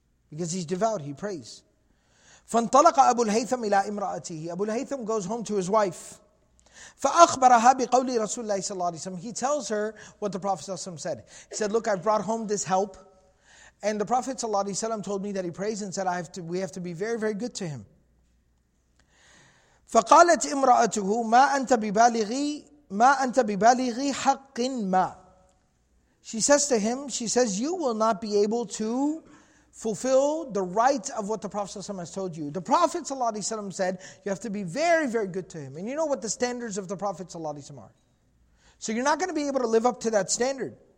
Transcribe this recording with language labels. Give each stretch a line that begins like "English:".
English: Because he's devout, he prays.
Arabic: فَانْطَلَقَ أَبُو الْهَيْثَمِ إِلَىٰ إِمْرَأَتِهِ.
English: Abu al-Haytham goes home to his wife.
Arabic: فَأَخْبَرَهَا بِقَوْلِ رَسُولِ اللَّهِ صَلَّى اللَّهِ عَلَيْهِ وَسَلَّمَ.
English: He tells her what the Prophet ﷺ said. He said, look, I brought home this help. And the Prophet ﷺ told me that he prays and said, we have to be very, very good to him.
Arabic: فَقَالَتْ إِمْرَأَتُهُ مَا أَنْتَ بِبَالِغِي حَقٍ مَا.
English: She says to him, she says, you will not be able to fulfill the right of what the Prophet ﷺ has told you. The Prophet ﷺ said, you have to be very, very good to him. And you know what the standards of the Prophet ﷺ are. So you're not going to be able to live up to that standard.